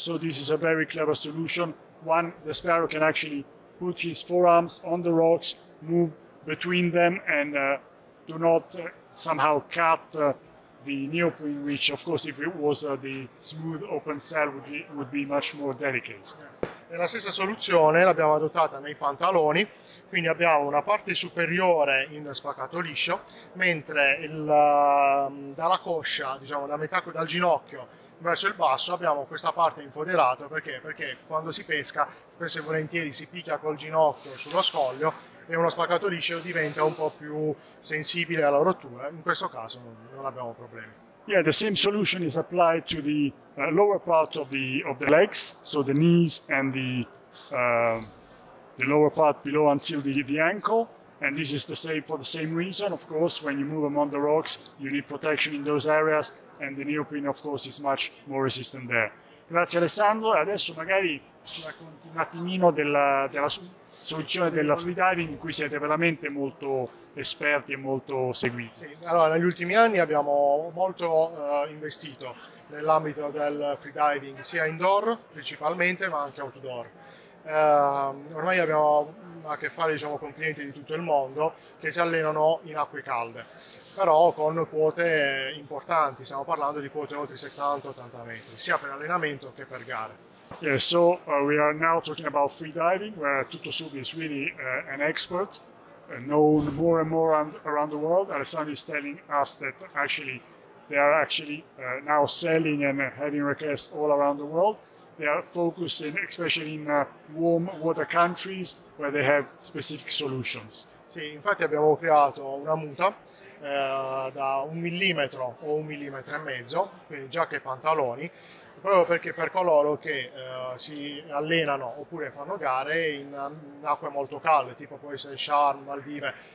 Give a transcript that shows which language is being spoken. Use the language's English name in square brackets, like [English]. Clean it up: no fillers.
[English] So this is a very clever solution. One, the sparrow can actually put his forearms on the rocks, move between them, and do not somehow cut the neoprene, which of course if it was the smooth open cell would be much more delicate. [Italian] E la stessa soluzione l'abbiamo adottata nei pantaloni, quindi abbiamo una parte superiore in spaccato liscio, mentre dalla coscia, diciamo dal ginocchio verso il basso, abbiamo questa parte in foderato. Perché? Perché quando si pesca spesso e volentieri si picchia col ginocchio sullo scoglio, e uno spaccato liscio diventa un po' più sensibile alla rottura. In questo caso non abbiamo problemi. [English] Yeah, the same solution is applied to the lower part of the legs, so the knees and the lower part below until the ankle. And this is the same for the same reason, of course, when you move among the rocks, you need protection in those areas, and the neoprene, of course, is much more resistant there. [Italian] Grazie Alessandro, adesso magari ci racconti un attimino della soluzione del freediving, in cui siete veramente molto esperti e molto seguiti. Sì, allora, negli ultimi anni abbiamo molto investito nell'ambito del freediving, sia indoor principalmente, ma anche outdoor. Ormai abbiamo a che fare, diciamo, con clienti di tutto il mondo che si allenano in acque calde, però con quote importanti, stiamo parlando di quote oltre 70-80 metri, sia per allenamento che per gare. [English] Yeah, so we are now talking about free diving, where Tutto Sub is really an expert, known more and more around the world. Alessandro is telling us that actually they are now selling and having requests all around the world. they are focused in, especially in warm water countries where they have specific solutions. [Italian] Sì, infatti abbiamo creato una muta da un millimetro o un millimetro e mezzo, quindi giacca e pantaloni, proprio perché per coloro che si allenano oppure fanno gare in acque molto calde, tipo può essere Sharm, Maldive,